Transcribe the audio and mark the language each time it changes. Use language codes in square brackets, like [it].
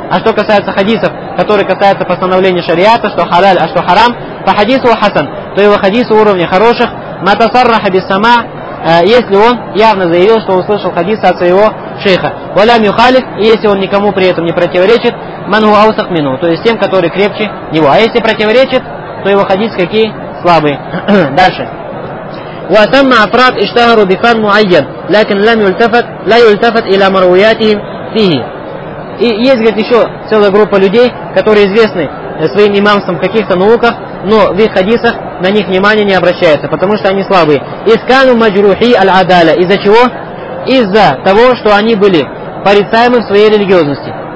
[ru] А что касается хадисов, которые касаются постановления шариата, что халаль, а что харам, по хадису хасан, то его хадисы уровня хороших. [ar] Матасарраха бисама, [ru] если он явно заявил, что услышал хадис от своего шейха. [ar] Валям юхалиф, [ru] если он никому при этом не противоречит, [ar] мангу аусах мину, [ru] то есть тем, которые крепче него. А если противоречит, то его хадис какие? Слабые. Дальше. [ar] وثم أفراد اشتهروا بفن معين لكن لم يلتفت لا يلتفت إلى مروياتهم فيه. [ru] И есть, говорит, еще целая группа людей, которые известны своим имамством в каких-то науках, но в их хадисах на них внимание не обращается, потому что они слабые. [ar] Искану маджрухи аль-адаля. [ru] Из-за чего? Из-за того, что они были порицаемы в своей религиозности.